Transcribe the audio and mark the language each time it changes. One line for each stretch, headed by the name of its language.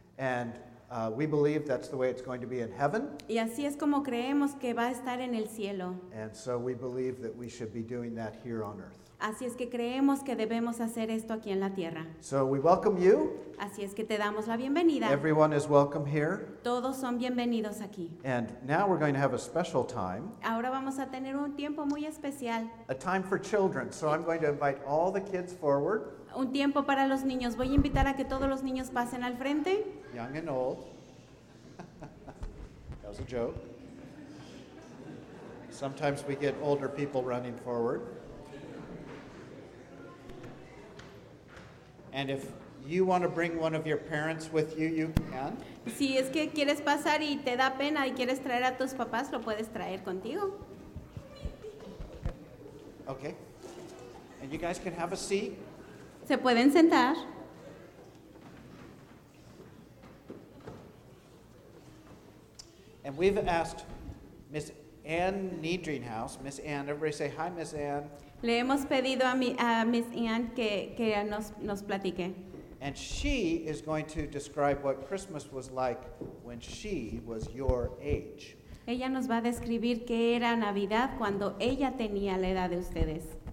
English: And we believe that's the way it's going to be in heaven.
Spanish: Y así es como creemos que va a estar en el cielo.
English: And so we believe that we should be doing that here on earth.
Spanish: Así es que creemos que debemos hacer esto aquí en la tierra.
English: So we welcome you.
Spanish: Así es que te damos la bienvenida.
English: Everyone is welcome here.
Spanish: Todos son bienvenidos aquí.
English: And now we're going to have a special time.
Spanish: Ahora vamos a tener un tiempo muy especial.
English: A time for children. So I'm going to invite all the kids forward.
Spanish: Un tiempo para los niños. Voy a invitar a que todos los niños pasen al frente.
English: Young and old. That was a joke. Sometimes we get older people running forward. And if you want to bring one of your parents with you, you can.
Spanish: Si es que quieres pasar y te da pena y quieres traer a tus papás, lo puedes traer contigo.
English: Okay. And you guys can have a seat.
Spanish: Se pueden sentar.
English: And we've asked Miss Ann Niedringhaus, Miss Ann, everybody say hi, Miss Ann.
Spanish: Le hemos pedido a Miss Ann que nos platique.
English: And she is going to describe what Christmas was like when she was your age.
Spanish: Ella nos va a describir qué era Navidad cuando ella tenía la edad de ustedes.